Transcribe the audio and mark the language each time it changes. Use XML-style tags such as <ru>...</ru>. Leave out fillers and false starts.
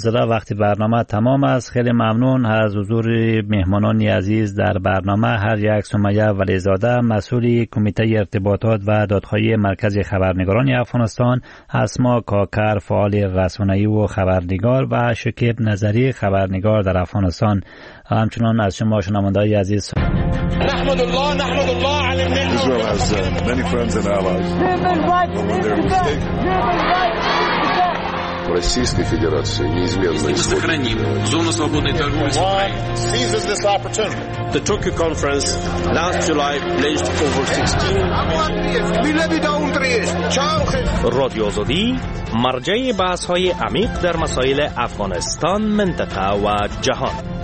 <fa>وقتی برنامه تمام است، خیلی ممنون از حضور مهمانان عزیز در برنامه. هر یک سمیه ولی‌زاده، مسئول کمیته ارتباطات و دادخواهی مرکز خبرنگاران افغانستان، اسما کاکر فعال رسانه‌ای و خبرنگار، و شکیب نظری خبرنگار در افغانستان. همچنان از شما شنوندگان عزیز</fa> <en>Israel has many friends and allies.</en> <ru>Российская Федерация неизменно сохраним зону свободной торговли с Украиной.</ru> <en>Seizes this opportunity. The Tokyo Conference last July pledged over 16.</en> <fa>Radio Azadi, مرجع بحث‌های عمیق در مسائل افغانستان، منطقه و جهان.</fa>